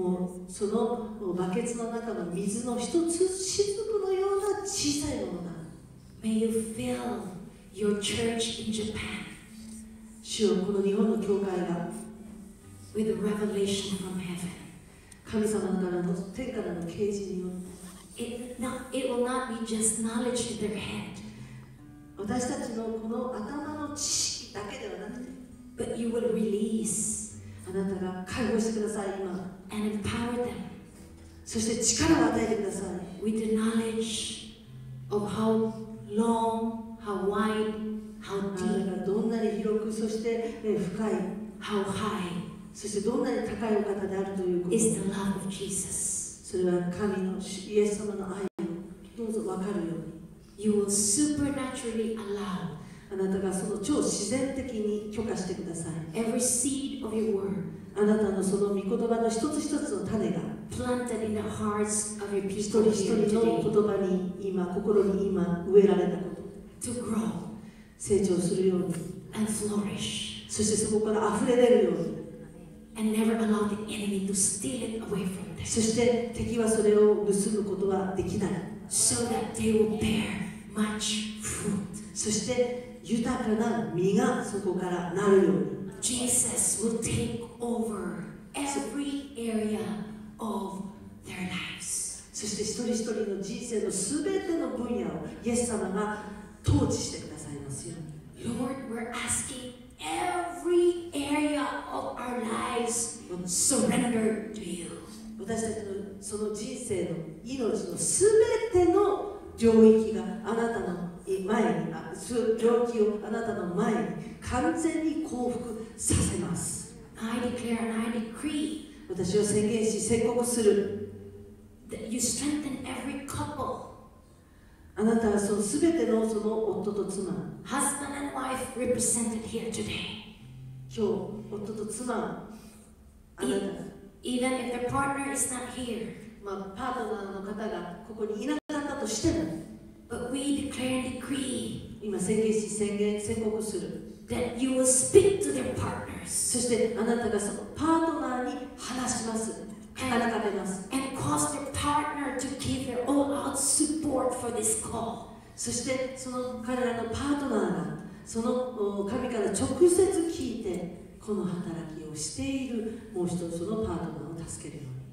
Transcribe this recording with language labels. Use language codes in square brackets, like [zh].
[ja] もうそのバケツの中の水の一つしずくのような小さいものだ。 [en] May you fill your church in Japan. [ja] 主よ、この日本の教会が [en] with a revelation from heaven. [ja] 神様からの天からの啓示によ [en] って it will not be just knowledge in their head. [ja] 私たちのこの頭の知識だけではなくて [en] but you will release [ja] あなたが解放してください今 [en] and empower them. [ja] そして力を与えてください [en] with the knowledge of howlong, how wide, how deep, [ja] どんなに広くそして深い [en] how high, [ja] そしてどんなに高いお方であるということ [en] is the love of Jesus. [ja] それは神のイエス様の愛をどうぞ分かるように [en] you will supernaturally allow [ja] あなたがその超自然的に許可してください [en] every seed of your word [ja] あなたのその御言葉の一つ一つの種が [en] planted in the hearts of your people [ja] 一人一人の言葉に今心に今植えられたこと [en] to grow [ja] 成長するように [en] and flourish [ja] そしてそこから溢れ出るように [en] and never allow the enemy to steal it away from them [ja] そして敵はそれを盗むことはできない [en] so that they will bear much fruit [ja] そして豊かな実がそこからなるように [en] Jesus will take over every areaOf their lives. [ja] そして一人一人の人生のすべての分野をイエス様が統治してくださいますように。 [en] Lord, we're asking every area of our lives surrender to you. [ja] 私たちのその人生の命のすべての領域があなたの前に、領域をあなたの前に完全に降伏させます。 [en] I declare and I decree. [ja] 私を宣言し宣告する [en] That you strengthen every couple. [ja] あなたはその全てのその夫と妻 [en] Husband and wife represented here today. [ja] 今日夫と妻あなた [en] Even if their partner is not here. [ja] まあパートナーの方がここにいなかったとしても [en] But we declare and decree. [ja] 今宣言し宣言宣告する [en] That you will speak to their partners. [ja] そしてあなたがそのパートナーに話します。語りかけます。 [en] And cause their partner to give their all-out support for this call. [ja] そしてその彼らのパートナーがその神から直接聞いてこの働きをしているもう一つのパートナーを助けるように。